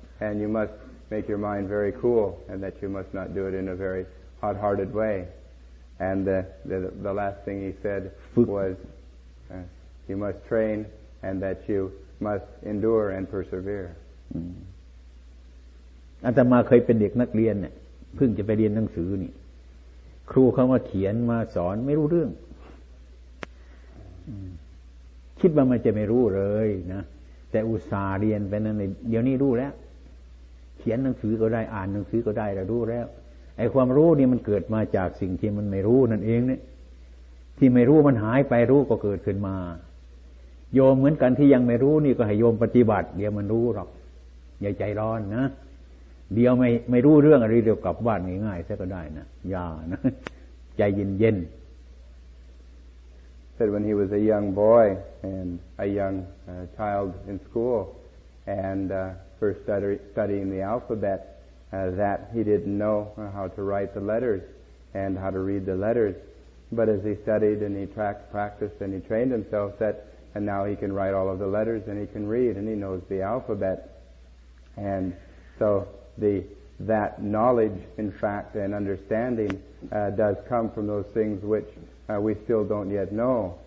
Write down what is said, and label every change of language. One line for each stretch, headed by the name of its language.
English: And you must make your mind very cool, and that you must not do it in a very hot-hearted way. And the last thing he said was, you must train, and that you must endure and persevere.
Thai: อาตมาเคยเป็นเด็กนักเรียนเนี่ยเพิ่งจะไปเรียนหนังสือนี่ครูเขามาเขียนมาสอนไม่รู้เรื่องคิดว่ามันจะไม่รู้เลยนะแต่อุตส่าห์เรียนไปนั่นเดี๋ยวนี้รู้แล้วเขียนหนังสือก็ได้อ่านหนังสือก็ได้แล้วรู้แล้วไอ้ความรู้นี่มันเกิดมาจากสิ่งที่มันไม่รู้นั่นเองเนี่ยที่ไม่รู้มันหายไปรู้ก็เกิดขึ้นมา โยมเหมือนกันที่ยังไม่รู้นี่ก็ให้โยมปฏิบัติเดี๋ยวมันรู้หรอกอย่าใจร้อนนะเดี๋ยวไม่รู้เรื่องอะไรเดี๋ยวกลับบ้านง่ายๆซะก็ได้นะอย่านะใจเย็น
English: ๆ said when he was a young boy and a young child in school and first studying the alphabet that he didn't know how to write the letters and how to read the letters but as he studied and he practiced and he trained himself that and now he can write all of the letters and he can read and he knows the alphabet and soThat knowledge, in fact, and understanding does come from those things which we still don't yet know.